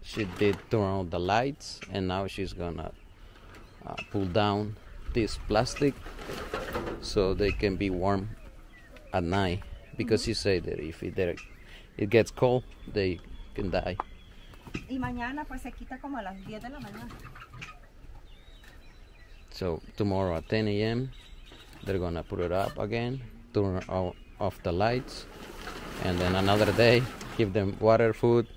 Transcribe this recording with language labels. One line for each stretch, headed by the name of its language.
English: She did turn out the lights and now she's gonna pull down this plastic so they can be warm at night, because mm-hmm. She said that if it gets cold they can die.
Spanish: Y mañana pues se quita como a las 10 de la mañana.
English: So tomorrow at 10 a.m. they're gonna put it up again, turn off the lights, and then another day give them water, food.